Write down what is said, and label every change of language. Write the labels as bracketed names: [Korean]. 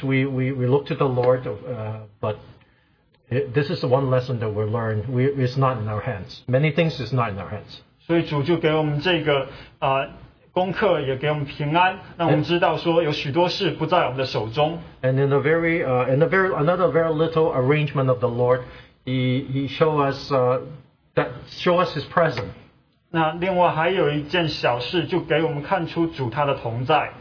[English] We look to the Lord, but this is the one lesson that we learned. It's not in our hands. Many things is not in our hands. [Chinese] 所以主就给我们这个功课，也给我们平安，让我们知道说有许多事不在我们的手中。 [English] And in a very another very little arrangement of the Lord, He showed us. That show us His presence. [Chinese] 那另外还有一件小事，就给我们看出主他的同在。